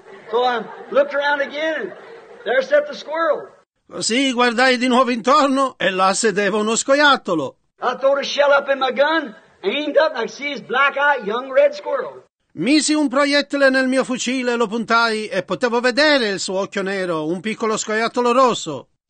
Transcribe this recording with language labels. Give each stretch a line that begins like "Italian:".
English: So I looked around again, and there sat the squirrel.
Italian: Così guardai di nuovo intorno e là sedeva uno scoiattolo.
English: I threw a shell up in my gun, aimed up, and I see his black eye, young red squirrel.
Italian: Misi un proiettile nel mio fucile, lo puntai e potevo vedere il suo occhio nero, un piccolo scoiattolo rosso.